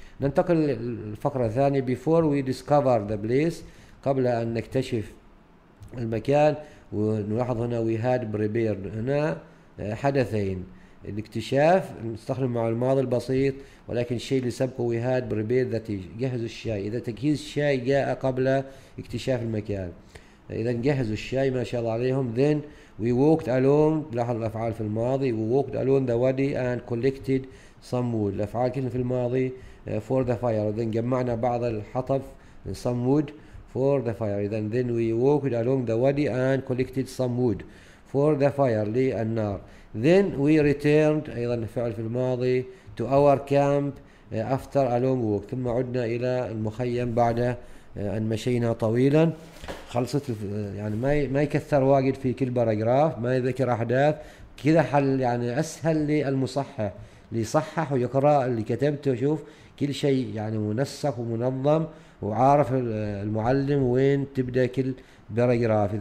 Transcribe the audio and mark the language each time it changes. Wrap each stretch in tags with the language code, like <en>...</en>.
<ar>ننتقل للفقرة الثانية.</ar> <en>before we discover the place،</en> <ar>قبل أن نكتشف المكان، ونلاحظ هنا</ar> <en>we had prepared،</en> <ar>هنا حدثين، الاكتشاف نستخدم مع الماضي البسيط، ولكن الشيء اللي سبقه</ar> <en>we had prepared that is،</en> <ar>جهزوا الشاي. إذا تجهيز الشاي جاء قبل اكتشاف المكان، إذا جهزوا الشاي ما شاء الله عليهم.</ar> <en>then we walked alone،</en> <ar>لاحظ الأفعال في الماضي،</ar> <en>we walked alone the wadi and collected some wood،</en> <ar>الأفعال كلها في الماضي،</ar> <en>for the fire، then</en> <ar>جمعنا بعض الحطب</ar> <en>some wood for the fire، then we walked along the wadi and collected some wood for the fire،</en> <ar>للنار.</ar> <en>then we returned،</en> <ar>أيضا فعل في الماضي،</ar> <en>to our camp after a long walk،</en> <ar>ثم عدنا إلى المخيم بعد أن مشينا طويلا. خلصت يعني ما يكثر واجد في كل باراجراف، ما يذكر أحداث كذا، حل يعني أسهل للمصحح ليصحح ويقرأ اللي كتبته، شوف كل شيء يعني منسق ومنظم، وعارف المعلم وين تبدأ كل باراجراف.</ar>